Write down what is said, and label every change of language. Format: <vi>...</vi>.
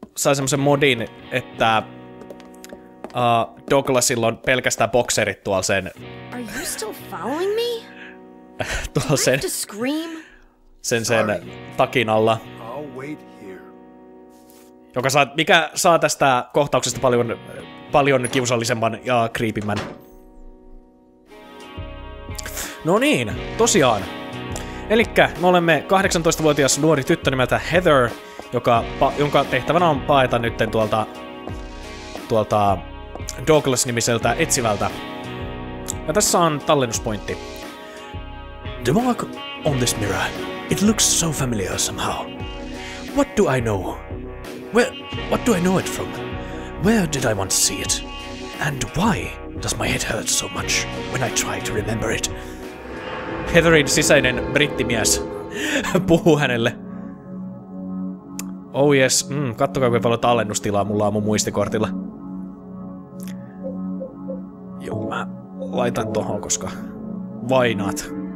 <fi>sai semmosen modin, että Douglasilla on pelkästään bokserit tuolla sen...</fi> <en>Are you still following me?</en> <fi>Tuolla sen...</fi> <en>Do I have to scream?</en> <fi>Sen</fi> <en>Sorry.</en> <fi>Takin alla.</fi> <en>I'll wait here.</en> <fi>Joka saa, mikä saa tästä kohtauksesta paljon, paljon kiusallisemman ja kriipimmän. No niin, tosiaan. Elikkä me olemme 18-vuotias nuori tyttö nimeltä Heather, jonka tehtävänä on paeta nytten tuolta Douglas-nimiseltä etsivältä. Ja tässä on tallennuspointti.</fi> <en>The mark on this mirror. It looks so familiar somehow. What do I know? What do I know it from? Where did I once see it? And why does my head hurt so much when I try to remember it?</en> <fi>Heatherin sisäinen brittimies puhuu hänelle.</fi> <en>Oh yes,</en> <fi>kattokaa kuinka paljon tallennustilaa mulla on mun muistikortilla. Joo, mä laitan tohon, koska...</fi> <en>Why not?</en>